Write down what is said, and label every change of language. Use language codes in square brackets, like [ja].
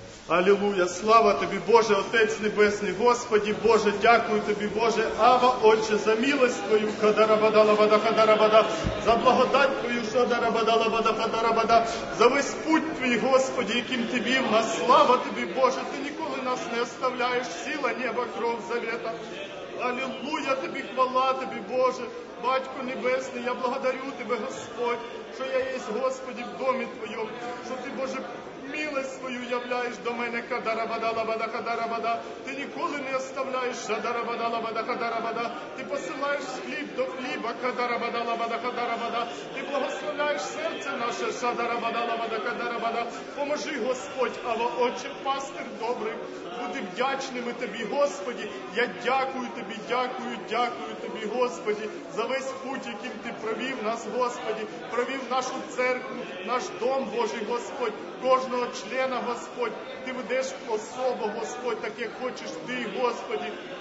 [uk] Алілуя, слава тобі, Боже, Отець Небесний, Господі, Боже, дякую тобі, Боже, Ава, Отче, за милость твою, кадарабадалабадахадарабада, за благодать твою, шадарабадалабадахадарабада, за весь путь твій, Господі, яким ти вів нас, слава тобі, Боже, ти ніколи нас не оставляєш, сила, неба, кров, завета. Алілуя тобі, хвала тобі, Боже, Батько Небесний, я благодарю тебе, Господь, що я єсть, Господі, в домі твоєму, що ти, Боже, [ru] Милость свою являешь до мене, кадарабада-лабада-кадарабада. Ты никогда не оставляешь, шадарабада-лабада-кадарабада. Ты посылаешь хлеб до хлеба, кадарабада-лабада-кадарабада. Ты благословляешь сердце наше, шадарабада-лабада-кадарабада. [uk] Поможи, Господь, аво отче, пастир добрий. Буди вдячними тобі, Господи. Я дякую тобі, дякую тобі, Господи, за весь путь, яким ти провів нас, Господи. Провів нашу церкву, наш дом Божий, Господь. Кожного члена, Господь, ти ведеш особу, Господь, так як хочеш ти, Господи.